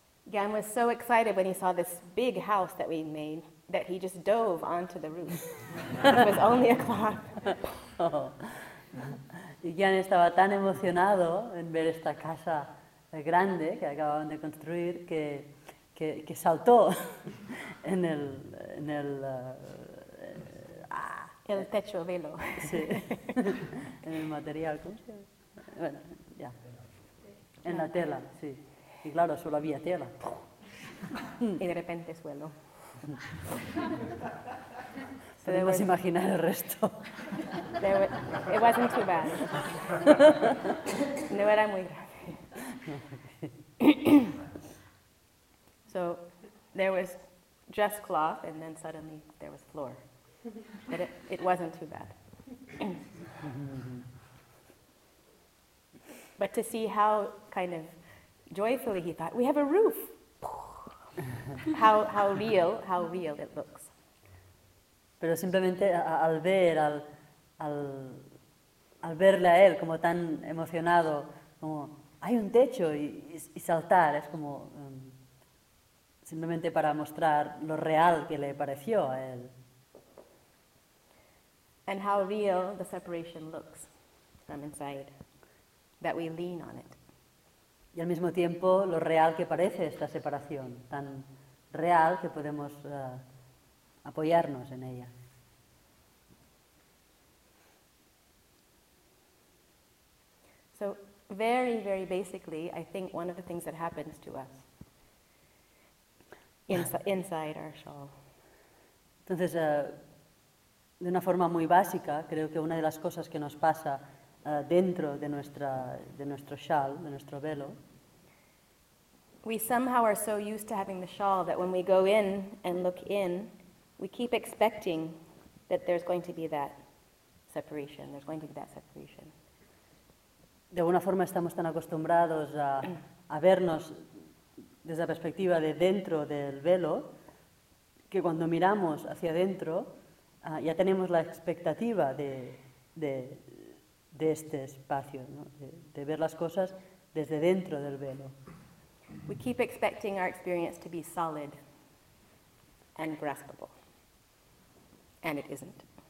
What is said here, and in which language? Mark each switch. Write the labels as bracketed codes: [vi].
[en] Gyan was so excited when he saw this big house that we made that he just dove onto the roof. It was only a cloth. [es] Y Gyan estaba tan emocionado en ver esta casa grande que acababan de construir que saltó en el techo velo. Sí. En el material, ¿cómo se llama? Bueno, ya. En la tela, sí. Y claro, solo había tela. Y de repente suelo. Podemos imaginar el resto. [en] It wasn't too bad. [es] No era muy grave. [en] So there was just cloth, and then suddenly there was floor. But it wasn't too bad. But to see how kind of joyfully he thought, we have a roof. How real it looks. [es] pero simplemente al ver, al verle a él como tan emocionado, como hay un techo y saltar, es como simplemente para mostrar lo real que le pareció a él. [en] And how real the separation looks from inside, that we lean on it. [es] Y al mismo tiempo lo real que parece esta separación, tan real que podemos apoyarnos en ella. [en] So very, very basically, I think one of the things that happens to us inside our shawl. [es] Entonces, de una forma muy básica, creo que una de las cosas que nos pasa dentro de nuestro shawl, de nuestro velo. [en] We somehow are so used to having the shawl that when we go in and look in, we keep expecting that there's going to be that separation. There's going to be that separation. [es] De alguna forma estamos tan acostumbrados a vernos desde la perspectiva de dentro del velo que cuando miramos hacia adentro ya tenemos la expectativa de este espacio, ¿no? De ver las cosas desde dentro del velo. [en] We keep expecting our experience to be solid and graspable, and it isn't.